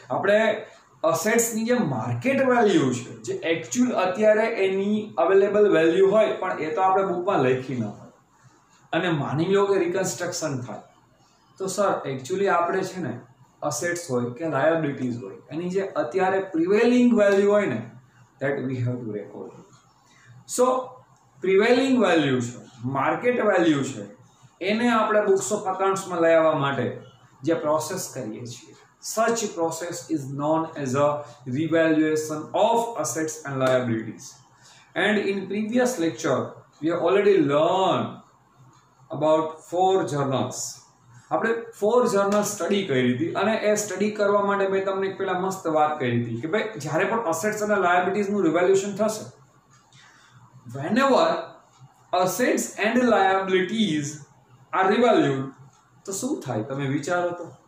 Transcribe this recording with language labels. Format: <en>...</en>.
<gu>આપણે અસેટ્સની જે market value છે, જે એકચ્યુઅલ અત્યારે એની અવેલેબલ વેલ્યુ હોય, પણ એ તો આપણે બુકમાં લખી ન હોય, અને માની લો કે રિકન્સ્ટ્રક્શન થાય, તો સર એકચ્યુઅલી આપણે છે ને અસેટ્સ હોય કે લાયબિલિટીઝ હોય એની જે અત્યારે પ્રિવેલિંગ વેલ્યુ હોય ને,</gu> <en>That we have to record.</en> <gu>So prevailing value છે, માર્કેટ વેલ્યુ છે, એને આપણે બુક્સ ઓફ અકાઉન્ટ્સમાં લઈ આવવા માટે જે પ્રોસેસ કરીએ છીએ,</gu> <en>such process is known as a revaluation of assets and liabilities। And in previous lecture we have already learned about 4 journals।</en> <gu>આપણે 4 journals study કરી હતી, અને એ study કરવા માટે મેં તમને એક પહેલા મસ્ત વાત કરી હતી કે ભાઈ જ્યારે પણ assets અને liabilities નું revaluation થશે,</gu> <en>whenever assets and liabilities are revalued,</en> <gu>તો શું થાય તમે વિચારો તો?</gu>